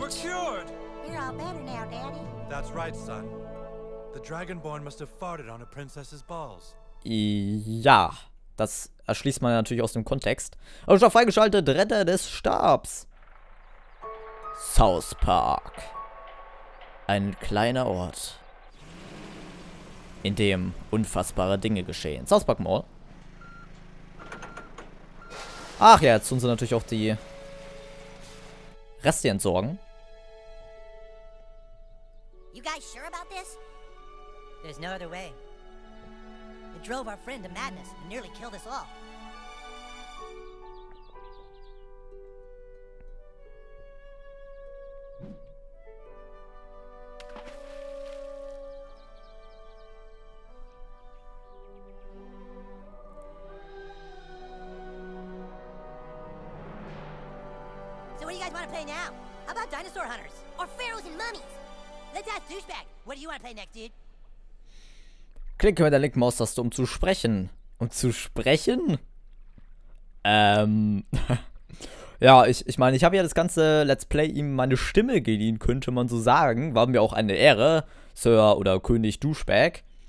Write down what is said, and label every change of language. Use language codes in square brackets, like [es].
[en] You're all better now, Daddy. That's right, son. The Dragonborn must have farted on a princess's balls. [de] Ja. Das erschließt man natürlich aus dem Kontext. Und schon freigeschaltet, Retter des Stabs. South Park. Ein kleiner Ort, in dem unfassbare Dinge geschehen. South Park Mall. Ach ja, jetzt tun sie natürlich auch die Reste entsorgen. [en] You guys sure about this? There's no other way. It drove our friend to madness and nearly killed us all. So what do you guys want to play now? How about dinosaur hunters? Or pharaohs and mummies? Let's ask Douchebag. What do you want to play next, dude? [de] Klicke mit der linken Maustaste, um zu sprechen. Um zu sprechen? Ja, ich meine, ich habe ja das ganze Let's Play ihm meine Stimme geliehen, könnte man so sagen. War mir auch eine Ehre, Sir oder König Douchebag.